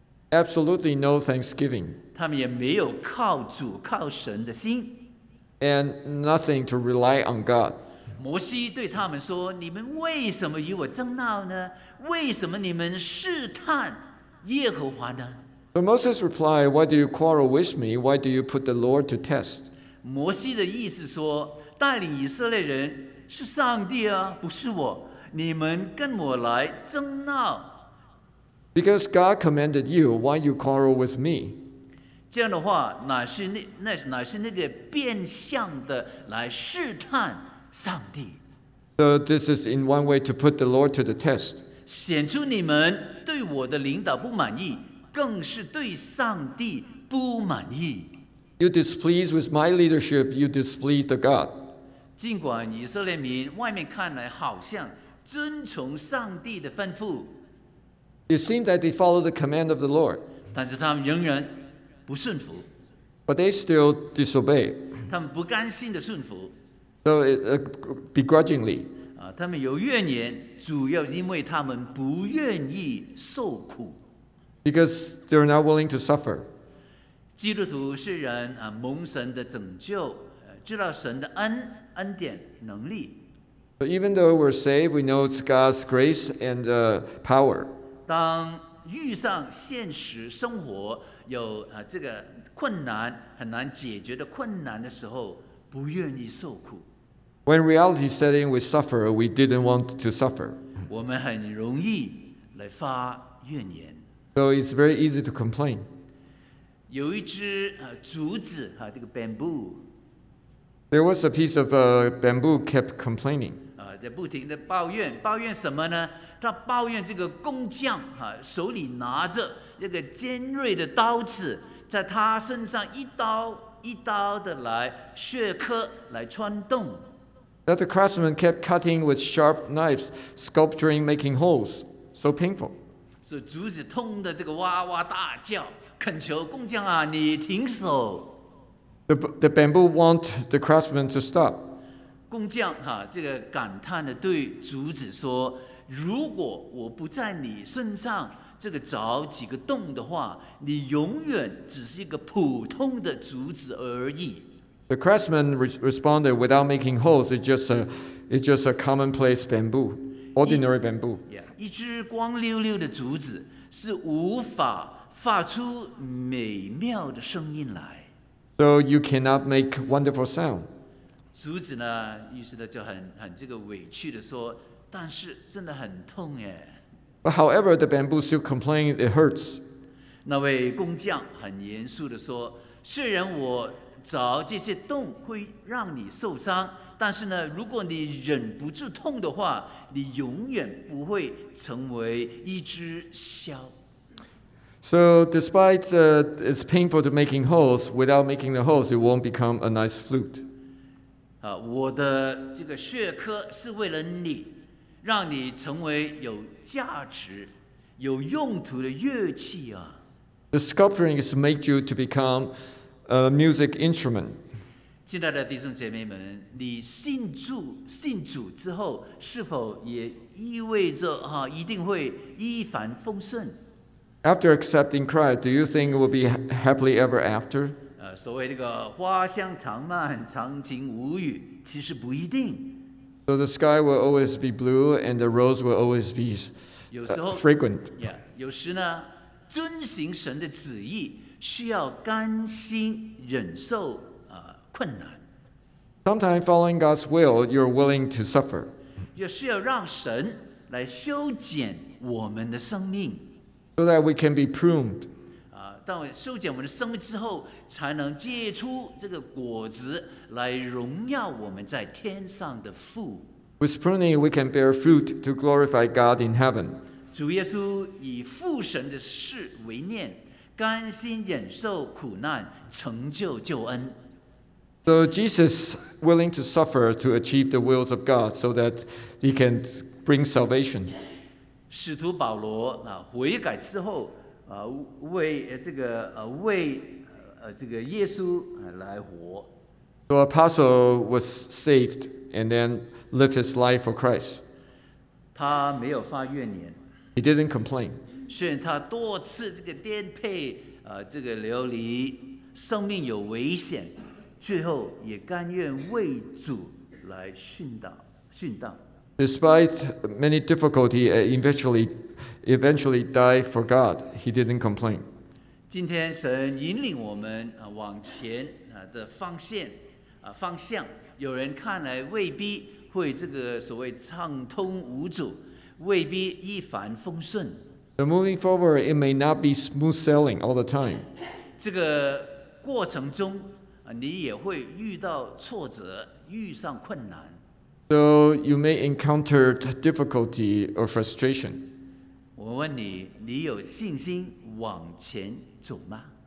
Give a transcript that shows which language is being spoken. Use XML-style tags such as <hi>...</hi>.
<en>Absolutely no thanksgiving.</en> <zh>他们也没有靠主靠神的心。</zh> <en>And nothing to rely on God.</en> <zh>摩西对他们说：“你们为什么与我争闹呢？为什么你们试探耶和华呢？”</zh> <en>So Moses replied, "Why do you quarrel with me? Why do you put the Lord to test?"</en> <zh>摩西的意思说：“带领以色列人是上帝啊，不是我。你们跟我来争闹。”</zh> <en>Because God commanded you, why you quarrel with me?</en> <zh>这样的话，乃是那个变相的来试探上帝。</zh> <en>So this is in one way to put the Lord to the test.</en> <zh>显出你们对我的领导不满意，更是对上帝不满意。</zh> <en>You displeased with my leadership, you displeased the God.</en> <zh>尽管以色列民外面看来好像遵从上帝的吩咐。</zh> <en>It seemed that they followed the command of the Lord.</en> <zh>但是他们仍然不顺服。</zh> <en>But they still disobey.</en> <zh>他们不甘心的顺服。</zh> <en>So begrudgingly.</en> <zh>他们有怨言，主要因为他们不愿意受苦。</zh> <en>Because they're not willing to suffer.</en> <zh>基督徒虽然蒙神的拯救，知道神的恩典能力。</zh> <en>So even though we're saved, we know it's God's grace and power.</en> <zh>当遇上现实生活有这个困难，很难解决的困难的时候，不愿意受苦。</zh> <en>When reality set in, we suffer. We didn't want to suffer.</en> <zh>我们很容易来发怨言。</zh> <en>So it's very easy to complain.</en> <zh>有一只竹子这个 bamboo.</zh> <en>There was a piece of bamboo kept complaining.</en> <zh>在不停的抱怨，抱怨什么呢？他抱怨这个工匠手里拿着那个尖锐的刀子，在他身上一刀一刀的来削刻，来穿洞。</zh> <en>That the craftsman kept cutting with sharp knives, sculpturing, making holes, so painful.</en> <zh>所以竹子痛的这个哇哇大叫，恳求工匠啊，你停手。</zh> <en>The bamboo want the craftsman to stop.</en> <zh>工匠这个感叹的对竹子说。如果我不在你身上这个凿几个洞的话，你永远只是一个普通的竹子而已。</zh> <en>The craftsman responded without making holes. It's just a commonplace bamboo, ordinary bamboo.</en> <zh>Yeah, 一只光溜溜的竹子是无法发出美妙的声音来。</zh> <en>So you cannot make wonderful sound.</en> <zh>竹子呢，于是呢就很这个委屈的说。但是真的很痛耶。</zh> <en>But however, the bamboo still complained it hurts.</en> <zh>那位工匠很严肃地说：“ 虽然我找这些洞会让你受伤，但是呢，如果你忍不住痛的话，你永远不会成为一只枭。</zh> <en>So despite it's painful to making holes, without making the holes, it won't become a nice flute.</en> <zh>我的这个血科是为了你，让你成为有价值、有用途的乐器啊。</zh> <en>The sculpting is to make you to become a music instrument.</en> <zh>亲爱的弟兄姐妹们，你信主之后，是否也意味着一定会一帆风顺？</zh> <en>After accepting Christ, do you think it will be happily ever after?</en> <zh>所谓这个花香长漫，长情无语，其实不一定。</zh> <en>So the sky will always be blue, and the rose will always be fragrant.</en> <zh>Yeah, 有时呢，遵行神的旨意需要甘心忍受困难。</zh> <en>Sometimes following God's will, you're willing to suffer.</en> <zh>也需要让神来修剪我们的生命。</zh> <en>So that we can be pruned.</en> <zh>当我修剪我们的生命之后，才能结出这个果子来荣耀我们在天上的父。</zh> <en>With pruning, we can bear fruit to glorify God in heaven.</en> <zh>主耶稣以父神的事为念，甘心忍受苦难，成就救恩。</zh> <en>So Jesus willing to suffer to achieve the wills of God so that he can bring salvation.</en> <zh>使徒保罗悔改之后，为这个为这个耶稣来活。</zh> <en>So apostle was saved and then lived his life for Christ.</en> <zh>他没有发怨言。</zh> <en>He didn't complain.</en> <zh>虽然他多次这个颠沛这个流离，生命有危险，最后也甘愿为主来殉道。</zh> <en>Despite many difficulty, eventually died for God. He didn't complain.</en> <zh>今天神引领我们往前的方向，有人看来未必会这个所谓畅通无阻，未必一帆风顺。</zh> <en>The moving forward, it may not be smooth sailing all the time.</en> <zh>这个过程中你也会遇到挫折，遇上困难。</zh> <en>So you may encounter difficulty or frustration.</en> <zh>我问你，你有信心往前走吗？</zh>